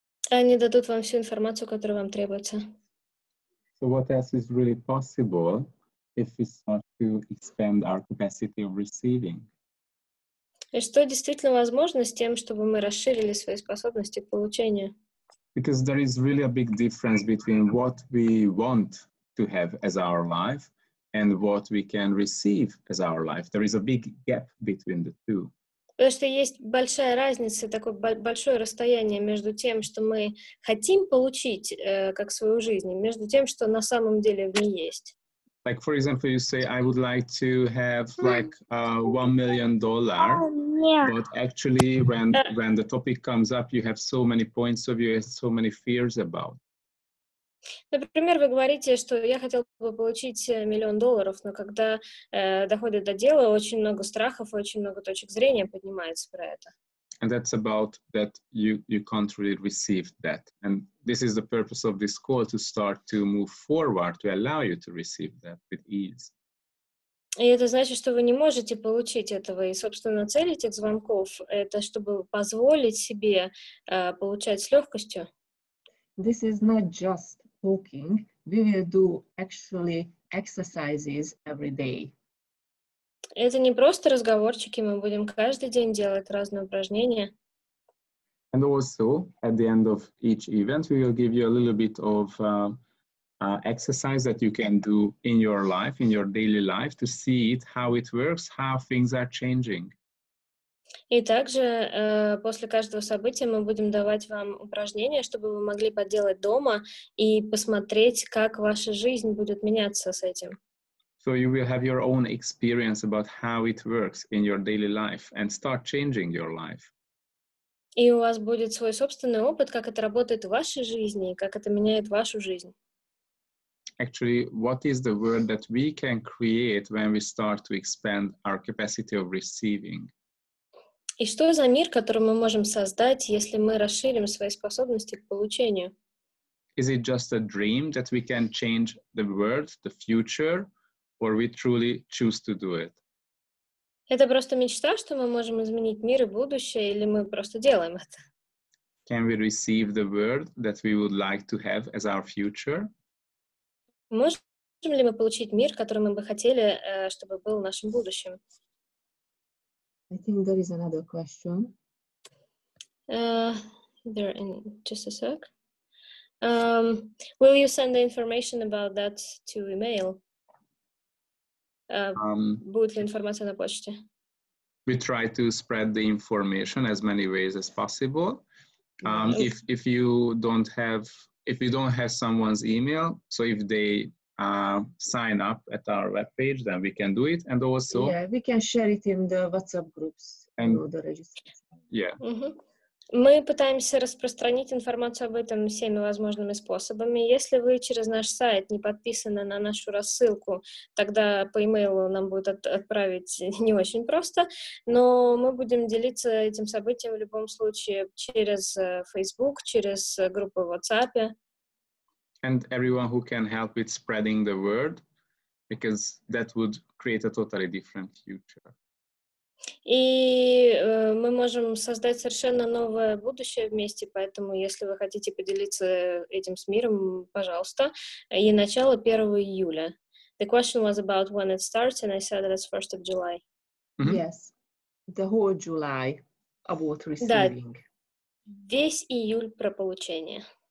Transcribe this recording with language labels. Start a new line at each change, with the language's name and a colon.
Russian: Они дадут вам всю информацию, которая вам требуется.
English: So what else is really possible if we start to expand our capacity of receiving?
Russian: И что действительно возможно с тем, чтобы мы расширили свои способности получения?
English: Because there is really a big difference between what we want to have as our life and what we can receive as our life. There is a big gap between the two.
Russian: Потому что есть большая разница, такое большое расстояние между тем, что мы хотим получить как свою жизнь, между тем, что на самом деле в ней есть.
English: Like, for example, you say, I would like to have, like, $1 million, but actually, when the topic comes up, you have so many points of view, so many fears about.
Russian: Например, вы говорите, что я хотел бы получить $1 million, но когда доходит до дела, очень много страхов, очень много точек зрения поднимается про это.
English: And that's about that you can't really receive that. And this is the purpose of this call, to start to move forward, to allow you to receive that with ease.
Russian: И это значит, что вы не можете получить этого. И, собственно, цель этих звонков — это чтобы позволить себе получать с легкостью.
English: This is not just talking. We will do actually exercises every day.
Russian: Это не просто разговорчики, мы будем каждый день делать разные упражнения.
English: And also, at the end of each event, we will give you a little bit of exercise that you can do in your life, in your daily life, to see it, how it works, how things are changing.
Russian: И также после каждого события мы будем давать вам упражнения, чтобы вы могли поделать дома и посмотреть, как ваша жизнь будет меняться с этим.
English: So you will have your own experience about how it works in your daily life and start changing your life.
Russian: И у вас будет свой собственный опыт, как это работает в вашей жизни, как это меняет вашу жизнь.
English: Actually, what is the world that we can create when we start to expand our capacity of receiving?
Russian: И что за мир, который мы можем создать, если мы расширим свои способности к получению?
English: Is it just a dream that we can change the world, the future, or we truly choose to do it?
Russian: Это просто мечта, что мы можем изменить мир и будущее, или мы просто делаем это?
English: Can we receive the world that we would like to have as our future?
Russian: Можем ли мы получить мир, который мы бы хотели, чтобы был нашим будущим?
English: I think there is another question. There in just a sec. Will you send the information about that to email?
Russian: Будет ли информация на почте?
English: We try to spread the information as many ways as possible. If you don't have someone's email, so if they sign up at our webpage, then we can do it, and also we can share it in the WhatsApp groups. And the registration. Yeah. Mm-hmm.
Russian: Мы пытаемся распространить информацию об этом всеми возможными способами. Если вы через наш сайт не подписаны на нашу рассылку, тогда по имейлу нам будет отправить не очень просто, но мы будем делиться этим событием в любом случае через Facebook, через группу в WhatsApp.
English: And everyone who can help with spreading the word, because that would create a totally different future.
Russian: И мы можем создать совершенно новое будущее вместе, поэтому если вы хотите поделиться этим с миром, пожалуйста. И начало 1 июля.
English: The question was about when it starts, and I said that it's 1st of July. Mm-hmm. Yes, the whole July about receiving.
Russian: Да, весь июль про получение.